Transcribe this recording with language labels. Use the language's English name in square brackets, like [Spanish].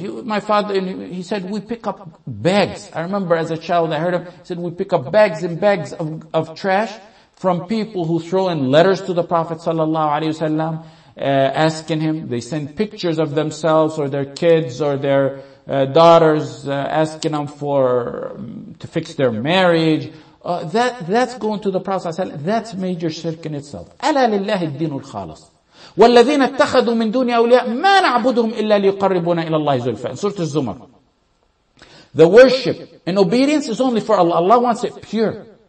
[English] My father said, we pick up bags. I remember as a child, I heard him said, we pick up bags and bags of trash from people who throw in letters to the Prophet sallallahu alaihi wasallam, asking him. They send pictures of themselves or their kids or their daughters, asking them to fix their marriage. That's going to the Prophet sallallahu alaihi wasallam. That's major shirk in itself. [Arabic] أَلَا لِلَّهِ الدِّينُ الْخَالِصُ والذين اتخذوا من دون أولياء ما نعبدهم إلا ليقربونا إلى الله زلفى. سورة الزمر. [English] The worship and obedience is only for Allah. Allah wants it pure.